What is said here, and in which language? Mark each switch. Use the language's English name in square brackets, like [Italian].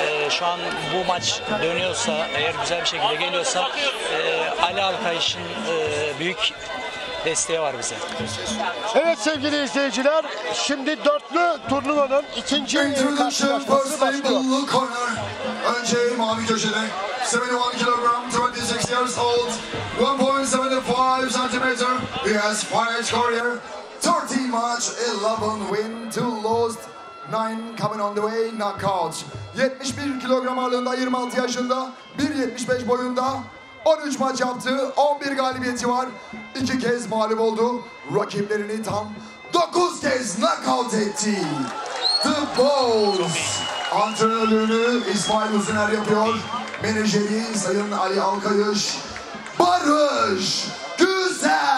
[Turkish] Şu an bu maç dönüyorsa, eğer güzel bir şekilde geliyorsa Ali Alkayış'ın büyük desteği var bize. Evet sevgili izleyiciler, şimdi dörtlü turnuvanın ikinci karşılaşması başlıyor. Önce mavi köşede [English] 71 kilogram, 26 years old, 1.75 centimeter, he has 5 career, 13 match, 11 win, 2 lost, 9 coming on the way, knockout. [Turkish] 71 kilogram ağırlığında, 26 yaşında, 1.75 boyunda, 13 maç yaptı, 11 galibiyeti var, 2 kez mağlup oldu, rakiplerini tam 9 kez knockout etti. The Balls antrenörlüğünü İsmail Uzuner yapıyor, menajeri Sayın Ali Alkayış, Barış Güzel.